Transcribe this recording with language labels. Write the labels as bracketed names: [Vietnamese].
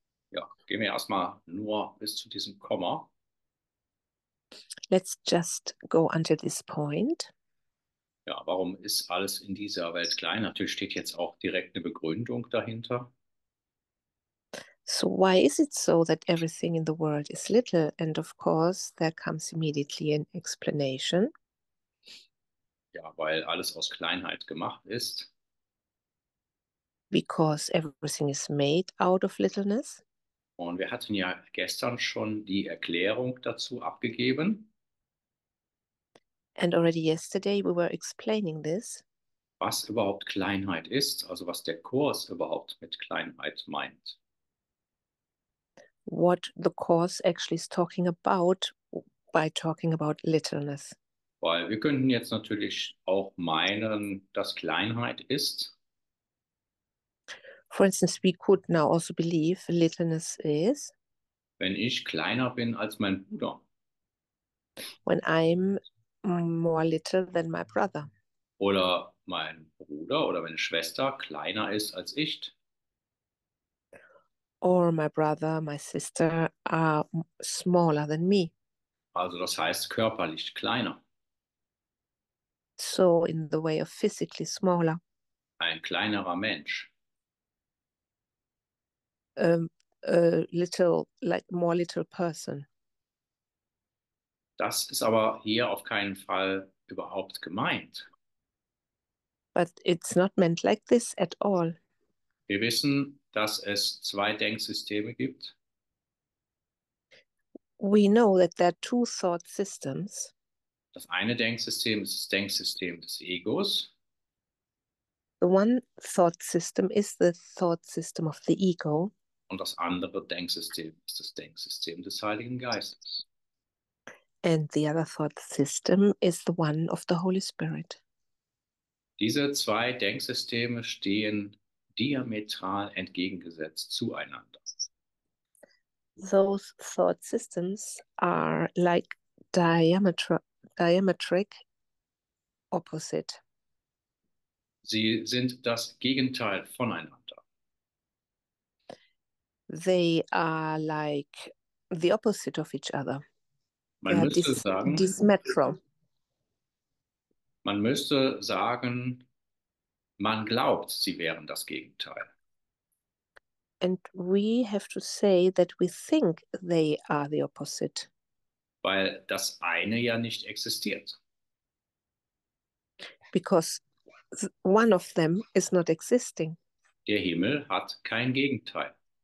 [German] Ja, gehen wir erstmal nur bis zu diesem Komma. [English] Let's just go until this point. [German] Ja, warum ist alles in dieser Welt klein? Natürlich steht jetzt auch direkt eine Begründung dahinter. [English] So why is it so that everything in the world is little? And of course, there comes immediately an explanation. [German] Ja, weil alles aus Kleinheit gemacht ist. [English] Because everything is made out of littleness. [German] Und wir hatten ja gestern schon die Erklärung dazu abgegeben. [English] And already yesterday we were explaining this. [German] Was überhaupt Kleinheit ist, also was der Kurs überhaupt mit Kleinheit meint. [English] What the course actually is talking about by talking about littleness. [German] Weil wir könnten jetzt natürlich auch meinen, dass Kleinheit ist. [English] For instance, we could now also believe littleness is. [German] Wenn ich kleiner bin als mein Bruder. [English] When I'm more little than my brother. [German] Oder mein Bruder oder meine Schwester kleiner ist als ich. [English] Or my brother, my sister are smaller than me. [German] Also das heißt körperlich kleiner. [English] So in the way of physically smaller. [German] Ein kleinerer Mensch. [English] A little, like more little person. [German] Das ist aber hier auf keinen Fall überhaupt gemeint. [English] But it's not meant like this at all. [German] Wir wissen, dass es zwei Denksysteme gibt. [English] We know that there are two thought systems. [German] Das eine Denksystem ist das Denksystem des Egos. [English] The one thought system is the thought system of the ego. [German] Und das andere Denksystem ist das Denksystem des Heiligen Geistes. [English] And the other thought system is the one of the Holy Spirit. [German] Diese zwei Denksysteme stehen diametral entgegengesetzt zueinander. [English] Those thought systems are like diametric opposite. [German] Sie sind das Gegenteil voneinander. [English] They are like the opposite of each other. [German] Man müsste sagen, man glaubt, sie wären das Gegenteil. [English] And we have to say that we think they are the opposite. [German] Weil das eine ja nicht existiert. [English] Because one of them is not existing. [German] Der Himmel hat kein Gegenteil.